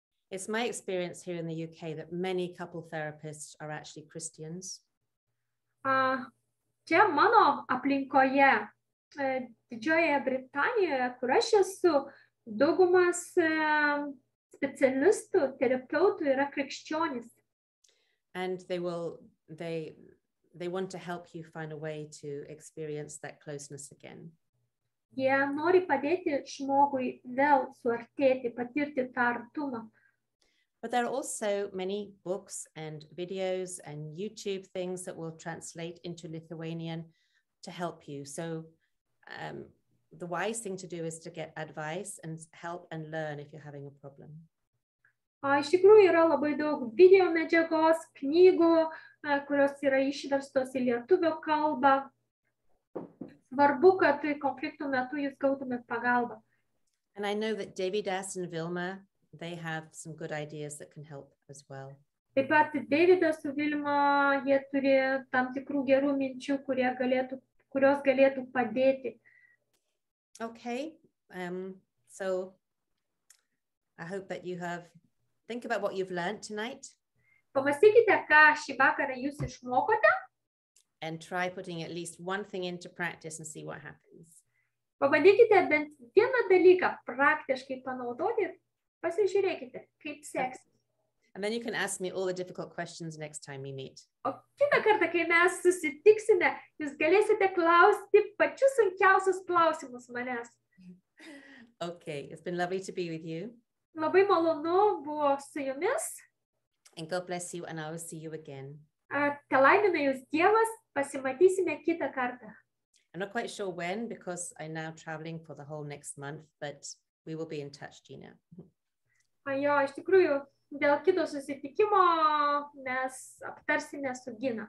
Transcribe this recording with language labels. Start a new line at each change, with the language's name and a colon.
English: It's my experience here in the UK that many couple therapists are actually Christians.
Lithuanian: Čia mano aplinkoje, didžiojoje Britanijoje, kur aš esu, daugumas specialistų, terapeutų yra krikščionis.
English: And they want to help you find a way to experience that closeness again.
Lithuanian: Jie nori padėti žmogui vėl suartėti, patirti tą artumą.
English: But there are also many books and videos and YouTube things that will translate into Lithuanian to help you. So the wise thing to do is to get advice and help and learn if you're having a problem.
Lithuanian: Iš tikrųjų yra labai daug video medžiagos, knygų, kurios yra išverstos į lietuvių kalbą. Svarbu, kad konfliktų metu jūs gautumėt pagalbą.
English: And I know that Davidas and Vilma, they have some good ideas that can help as well.
Lithuanian: Taip pat Davidas su Vilma, jie turi tam tikrų gerų minčių, kurios galėtų padėti.
English: Okay, so I hope that you have, think about what you've learned tonight.
Lithuanian: Pamastykite, ką šį vakarą jūs išmokote.
English: And try putting at least one thing into practice and see what happens.
Lithuanian: Pabandykite bent vieną dalyką praktiškai panaudoti, pasižiūrėkite, kaip seksis.
English: And then you can ask me all the difficult questions next time we meet.
Lithuanian: O kitą kartą, kai mes susitiksime, jūs galėsite klausti pačius sunkiausius klausimus manęs.
English: Okay, it's been lovely to be with you.
Lithuanian: Labai malonu buvo su jumis.
English: And God bless you, and I will see you again.
Lithuanian: Te laimina jūs Dievas, pasimatysime kitą kartą.
English: I'm not quite sure when, because I'm now traveling for the whole next month, but we will be in touch, Gina.
Lithuanian: Jo, iš tikrųjų. Dėl kito susitikimo mes aptarsime su Gina.